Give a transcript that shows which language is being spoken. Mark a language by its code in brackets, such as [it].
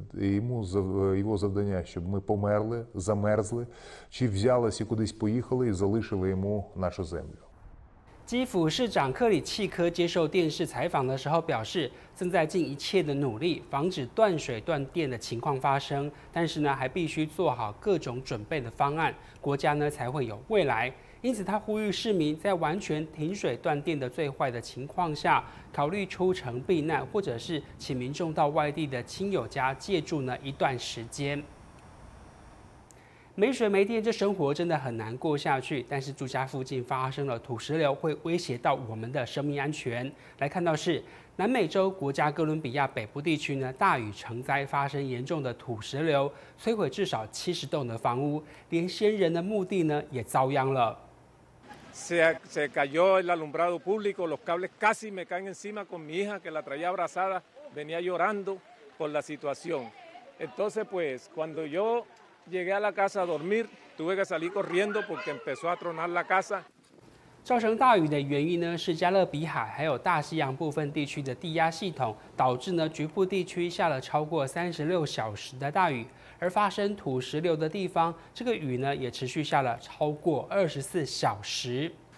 [uk] Йому, його завдання, щоб ми померли, замерзли, чи взялись і кудись поїхали і залишили йому нашу землю. [zh] 基辅市长克里契科接受电视采访的时候表示，正在尽一切的努力防止断水断电的情况发生，但是呢，还必须做好各种准备的方案，国家呢才会有未来。因此，他呼吁市民在完全停水断电的最坏的情况下，考虑出城避难，或者是请民众到外地的亲友家借住呢一段时间。没水没电，这生活真的很难过下去。但是住家附近发生了土石流，会威胁到我们的生命安全。来看到是南美洲国家哥伦比亚北部地区呢，大雨成灾，发生严重的土石流，摧毁至少70栋的房屋，连先人的墓地呢也遭殃了。 [es] Se cayó el alumbrado público, los cables casi me caen encima con mi hija que la traía abrazada, venía llorando por la situación. Entonces pues cuando yo llegué a la casa a dormir, tuve que salir corriendo porque empezó a tronar la casa. [zh] 造成大雨的原因呢，是加勒比海还有大西洋部分地区的低压系统，导致呢局部地区下了超过36小时的大雨。而发生土石流的地方，这个雨呢也持续下了超过24小时。